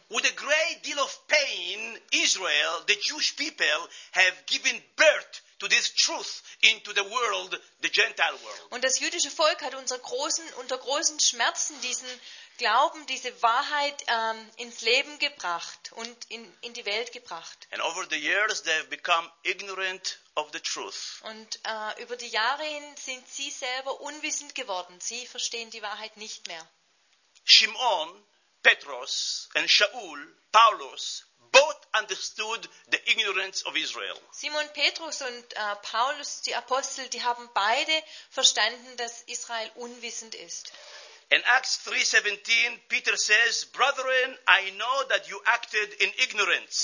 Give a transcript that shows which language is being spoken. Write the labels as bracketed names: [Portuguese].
[English] With a great deal of pain, Israel, the Jewish people have given birth to this truth into the world, the Gentile world. [German] Und das jüdische Volk hat unter großen Schmerzen diesen Glauben, diese Wahrheit ins Leben gebracht und in die Welt gebracht. [English] And over the years they have become ignorant of the truth. [German] Und über die Jahre hin sind sie selber unwissend geworden. Sie verstehen die Wahrheit nicht mehr. [English] Shimon, Petros and Shaul, Paulus, both understood the ignorance of Israel. [German] Simon Petrus und Paulus, die Apostel, die haben beide verstanden, dass Israel unwissend ist. [English] In Acts 3:17, Peter says, "Brethren, I know that you acted in ignorance."